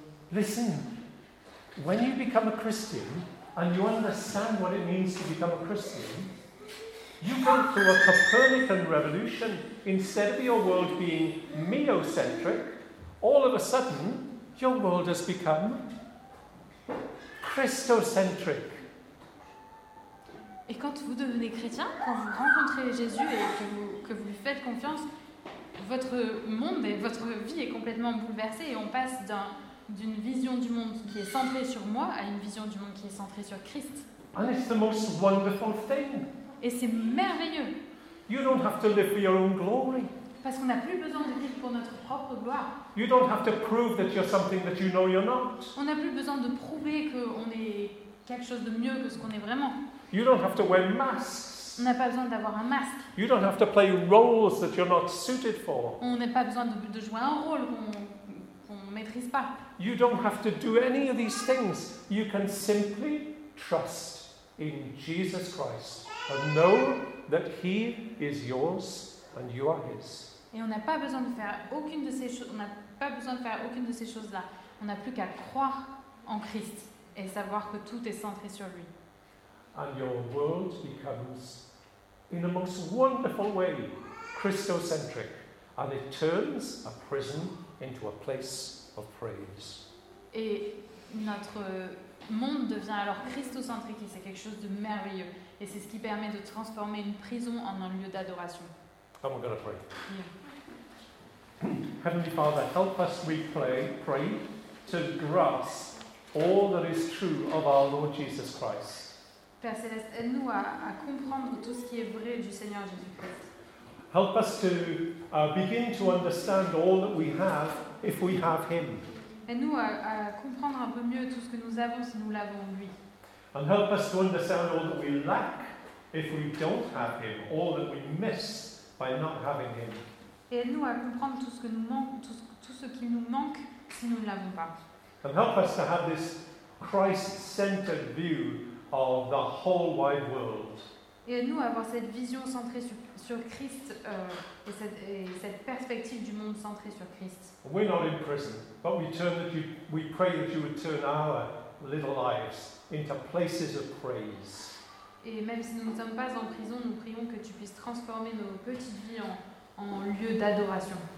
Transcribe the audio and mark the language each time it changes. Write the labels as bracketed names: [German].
[English] Listen, when you become a Christian and you understand what it means to become a Christian, you go through a Copernican revolution. Instead of your world being meocentric, all of a sudden your world has become Christocentric. [French] Et quand vous devenez chrétien, quand vous rencontrez Jésus et que vous lui faites confiance, votre monde et votre vie est complètement bouleversée et on passe d'une vision du monde qui est centrée sur moi à une vision du monde qui est centrée sur Christ. [English] And it's the most wonderful thing. [French] Et c'est merveilleux. [English] You don't have to live for your own glory. [French] Parce qu'on n'a plus besoin de vivre pour notre propre gloire. [English] You don't have to prove that you're something that you know you're not. [French] On n'a plus besoin de prouver qu'on est quelque chose de mieux que ce qu'on est vraiment. [English] You don't have to wear masks. [French] On n'a pas besoin d'avoir un masque. [English] You don't have to play roles that you're not suited for. [French] On n'a pas besoin de jouer un rôle qu'on maîtrise pas. [English] You don't have to do any of these things. You can simply trust in Jesus Christ and know that He is yours and you are His. [French] Et on n'a pas besoin de faire aucune de ces choses. On n'a pas besoin de faire aucune de ces choses là. On n'a plus qu'à croire en Christ et savoir que tout est centré sur lui. [English] And your world becomes, in a most wonderful way, Christocentric, and it turns a prison into a place of praise. [French] Et notre monde devient alors christocentrique, et c'est quelque chose de merveilleux, et c'est ce qui permet de transformer une prison en un lieu d'adoration. [English] And we're going to pray. Heavenly Father, help us, we pray, to grasp all that is true of our Lord Jesus Christ. [French] Père Céleste, aide-nous à comprendre tout ce qui est vrai du Seigneur Jésus-Christ. [English] Help us to begin to understand all that we have if we have Him. [French] Aide-nous à comprendre un peu mieux tout ce que nous avons si nous l'avons lui. [English] And help us to understand all that we lack if we don't have Him, all that we miss by not having Him. [French] Et aide-nous à comprendre tout ce que nous manque, tout ce qui nous manque si nous ne l'avons pas. [English] And help us to have this Christ-centered view of the whole wide world. [French] Et nous avoir cette vision centrée sur Christ et cette perspective du monde centrée sur Christ. [English] We're not in prison, but we pray that you would turn our little lives into places of praise. [French] Et même si nous ne sommes pas en prison, nous prions que tu puisses transformer nos petites vies en lieux d'adoration.